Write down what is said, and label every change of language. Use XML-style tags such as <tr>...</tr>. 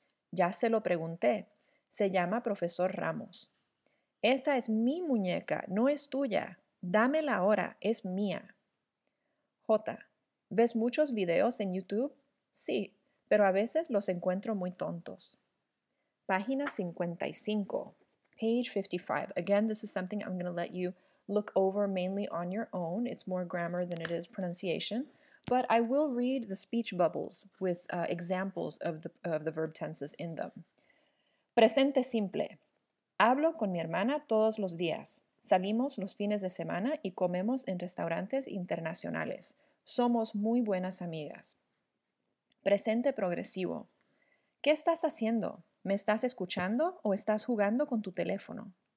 <es>Ya se lo pregunté. Se llama profesor Ramos. Esa es mi muñeca, no es tuya. Dámela ahora, es mía. J. ¿Ves muchos videos en YouTube? Sí, pero a veces los encuentro muy tontos. Página 55,</es> <en>page 55. Again, this is something I'm going to let you look over mainly on your own. It's more grammar than it is pronunciation. But I will read the speech bubbles with examples of the verb tenses in them.</en> <es>Presente simple. Hablo con mi hermana todos los días. Salimos los fines de semana y comemos en restaurantes internacionales. Somos muy buenas amigas. Presente progresivo. ¿Qué estás haciendo? ¿Me estás escuchando o estás jugando con tu teléfono?</es>